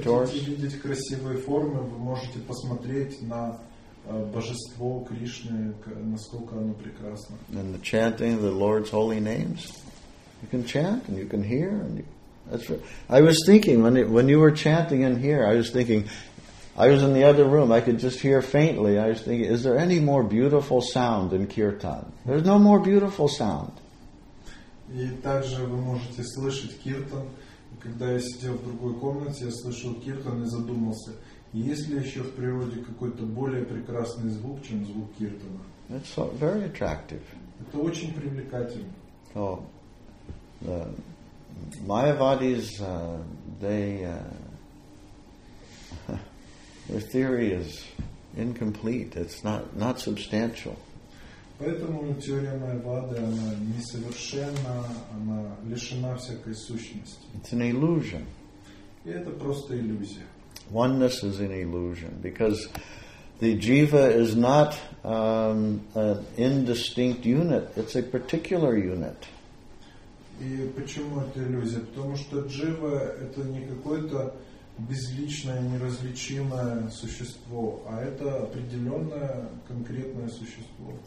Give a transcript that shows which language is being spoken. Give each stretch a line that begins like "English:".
Russian: Если вы хотите видеть красивые формы, вы можете посмотреть на божество Кришны, насколько оно прекрасно.
English: And the chanting of the Lord's holy names. You can chant and you can hear. And you, that's right. I was thinking, when you were chanting in here, I was thinking, I was in the other room, I could just hear faintly, I was thinking, is there any more beautiful sound than kirtan? There's no more beautiful sound.
Russian: И также вы можете слышать киртан. Когда я сидел в другой комнате, я слышал киртан и задумался, есть ли еще в природе какой-то более прекрасный звук, чем звук киртана?
English: It's so, very attractive.
Russian: Это очень привлекательно.
English: So, the Mayavadis, their theory is incomplete. It's not substantial.
Russian: Поэтому теория Майявады она несовершенна, она лишена всякой сущности.
English: It's an illusion.
Russian: И это просто иллюзия.
English: Oneness is an illusion because the jiva is not an indistinct unit. It's a particular unit.
Russian: И почему это иллюзия? Потому что джива — это не какое-то безличное, неразличимое существо, а это определенное, конкретное существо.